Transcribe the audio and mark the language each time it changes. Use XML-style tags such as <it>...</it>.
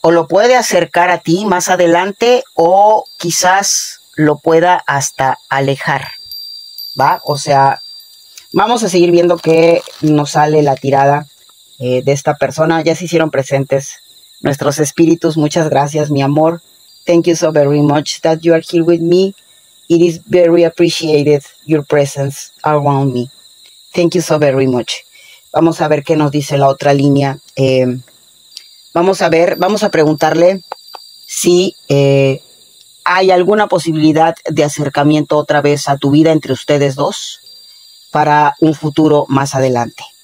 <es>O lo puede acercar a ti más adelante o quizás lo pueda hasta alejar, ¿va? O sea, vamos a seguir viendo qué nos sale la tirada de esta persona. Ya se hicieron presentes nuestros espíritus. Muchas gracias, mi amor.</es> <en>Thank you so very much that you are here with me. It is very appreciated your presence around me. Thank you so very much.</en> <es>Vamos a ver qué nos dice la otra línea. Vamos a preguntarle si hay alguna posibilidad de acercamiento otra vez a tu vida entre ustedes dos para un futuro más adelante.</es>